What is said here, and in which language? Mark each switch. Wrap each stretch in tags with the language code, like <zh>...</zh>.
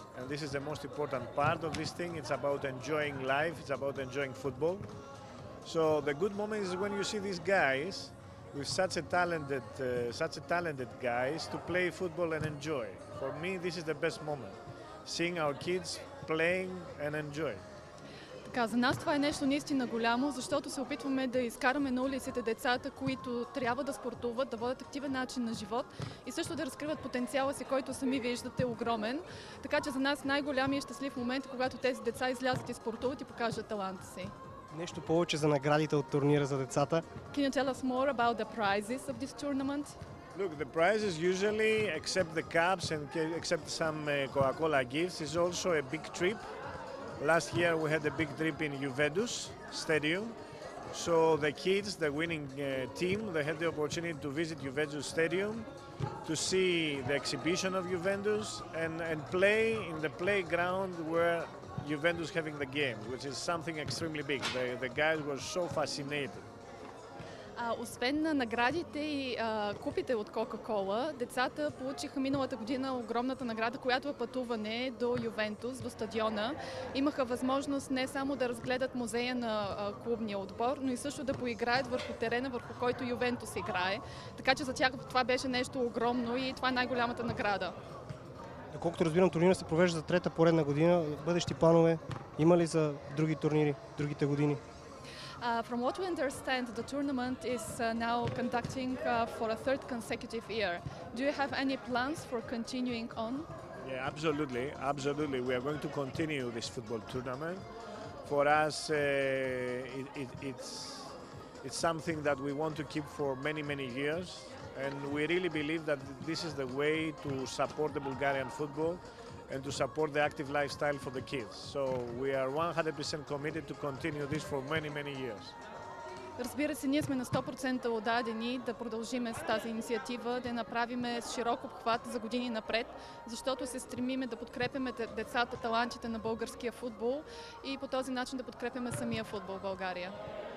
<en>And this is the most important part of this thing. It's about enjoying life. It's about enjoying football. So the good moment is when you see these guys with such a talented guys to play football and enjoy. For me, this is the best moment, seeing our kids playing and enjoying.</en> <bg>За нас това е нещо наистина голямо, защото се опитваме да изкараме на улиците децата, които трябва да спортуват, да водят активен начин на живот и също да разкриват потенциала си, който сами виждате огромен. Така че за нас най-голямият щастлив момент е, когато тези деца излязат и спортуват и покажат таланта си. Нещо повече за наградите от турнира за децата.</bg> <en>Can you tell us more about the prizes of this tournament? Look, the prizes usually, except the cups and except some Coca-Cola gifts, is also a big trip. Last year we had a big trip in Juventus Stadium. So the kids, the winning team, they had the opportunity to visit Juventus Stadium to see the exhibition of Juventus and play in the playground where Juventus having the game, which is something extremely big. The guys were so fascinated.</en> <bg>Освен на наградите и купите от Coca-Cola, децата получиха миналата година огромната награда, която е пътуване до Ювентус, до стадиона. Имаха възможност не само да разгледат музея на клубния отбор, но и също да поиграят върху терена, върху който Ювентус играе. Така че за тях това беше нещо огромно и това е най-голямата награда. Доколкото разбирам, турнира се провежда за трета поредна година. Бъдещи планове има ли за други турнири, другите години?</bg> <en>From what we understand, the tournament is now conducting for a third consecutive year. Do you have any plans for continuing on? Yeah, absolutely, absolutely. We are going to continue this football tournament. For us, it's something that we want to keep for many, many years. And we really believe that this is the way to support the Bulgarian football and to support the active lifestyle for the kids. So we are 100% committed to continue this for many, many years.</en> <bg>Разбира се, ние сме на 100% отдадени да продължим с тази инициатива, да я направим с широк обхват за години напред, защото се стремиме да подкрепяме децата, талантите на българския футбол и по този начин да подкрепяме самия футбол в България.</bg>